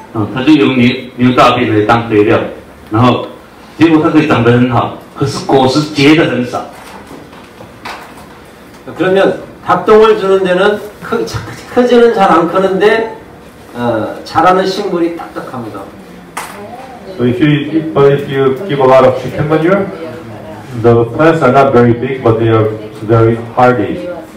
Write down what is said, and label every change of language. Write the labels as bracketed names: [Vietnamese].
[Chinese] 比如说有养牛的人，他就用牛大便来当肥料。然后结果它可以长得很好，可是果实结的很少。 [Korean] 그러면 닭똥을 주는 데는 크지는 잘 안 크는데 자라는 식물이 딱딱합니다. [English] So if you give a lot of chicken manure, the plants are not very big, but they are very hardy.